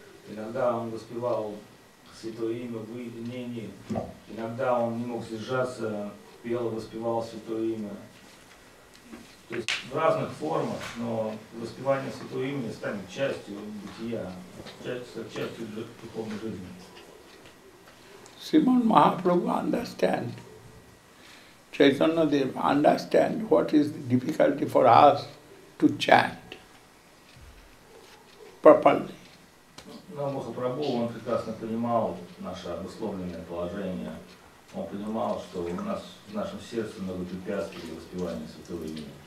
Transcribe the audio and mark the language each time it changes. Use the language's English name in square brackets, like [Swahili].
[Russian] Иногда он воспевал святое имя в уединении, иногда он не мог сдержаться, пел и воспевал святое имя. То есть в разных формах, но воспевание святого имени станет частью бытия, частью духовной жизни. [English] Sriman Mahaprabhu understand, Chaitanya Dev understand what is the difficulty for us to chant properly. [Russian] Но Махапрабху, он прекрасно понимал наше обусловленное положение. Он понимал, что у нас в нашем сердце много препятствий для воспевания святого имени.